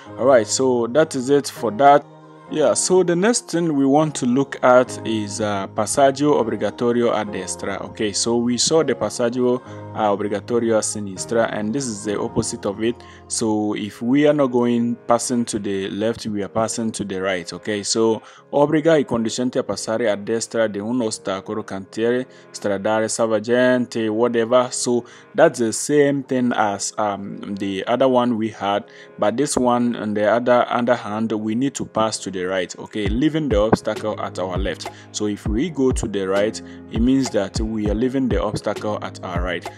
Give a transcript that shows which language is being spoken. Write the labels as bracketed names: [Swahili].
[English] Alright, so that is it for that. Yeah, so the next thing we want to look at is [Italian] passaggio obbligatorio a destra. [English] Okay, so we saw the [Italian] passaggio obbligatorio a sinistra, [English] and this is the opposite of it. So if we are not going passing to the left, we are passing to the right. Okay, so [Italian] obbliga I conducente a passare a destra di un ostacolo, cantiere stradale, salvagente, [English] whatever. So that's the same thing as the other one we had, but this one on the other hand, we need to pass to the the right, okay, leaving the obstacle at our left. So if we go to the right, it means that we are leaving the obstacle at our right.